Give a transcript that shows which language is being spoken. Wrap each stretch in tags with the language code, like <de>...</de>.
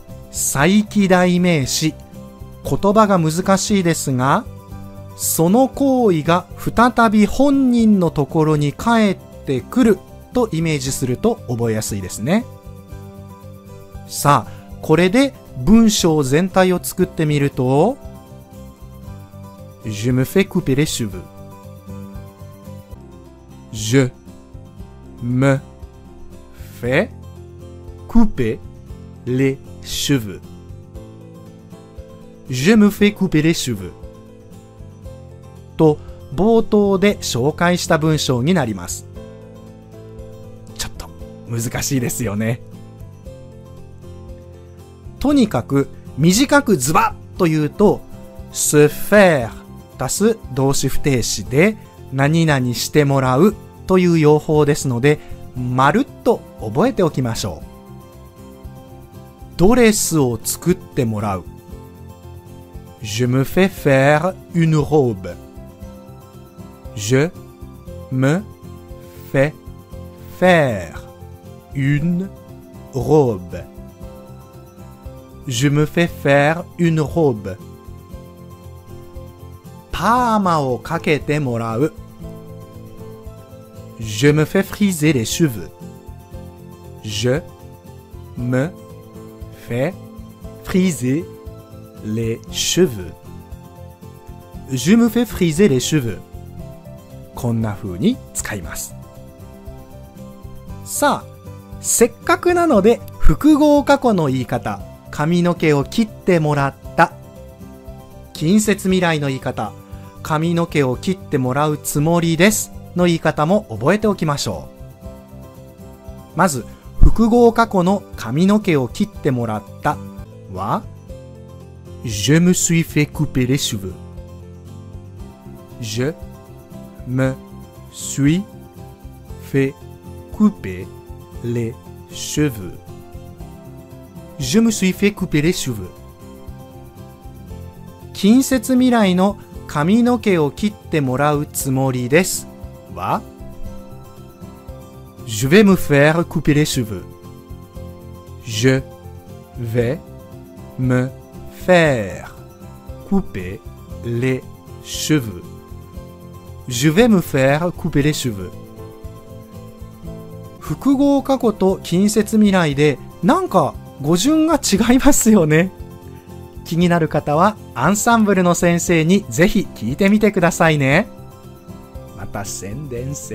<ja>再起代名詞、言葉が難しいですが、その行為が再び本人のところに返ってくるとイメージすると覚えやすいですね。さあ、これで文章全体を作ってみると、</ja> <fr>Je me fais couper les cheveux. Je me fais couper les cheveux. Je me fais couper les cheveux.</fr> <ja>と冒頭で紹介した文章になります。ちょっと難しいですよね。とにかく短くズバッと言うと、se faire 足す動詞不定詞で何々してもらうという用法ですので、まるっと覚えておきましょう。ドレスを作ってもらう。</ja> <fr>Je me fais faire une robe. Je me fais faire une robe. Je me fais faire une robe.</fr> <ja>パーマをかけてもらう。</ja> <fr>Je me fais friser les cheveux. Je me fais friser les cheveux. Je me fais friser les cheveux.</fr> <ja>こんな風に使います。さあ、せっかくなので複合過去の言い方、髪の毛を切ってもらった。近接未来の言い方、髪の毛を切ってもらうつもりです。の言い方も覚えておきましょう。まず複合過去の髪の毛を切ってもらったは</ja> <fr>Je me suis fait couper les cheveux. Je me suis fait couper les cheveux. Je me suis fait couper les cheveux.</fr> <ja>近接未来の髪の毛を切ってもらうつもりですは</ja> <fr>Je vais me faire couper les cheveux. Je vais me faire couper les cheveux. Je vais me faire couper les cheveux.</fr> <ja>複合過去と近接未来でなんか語順が違いますよね。気になる方はアンサンブルの先生にぜひ聞いてみてくださいね。また宣伝。</ja>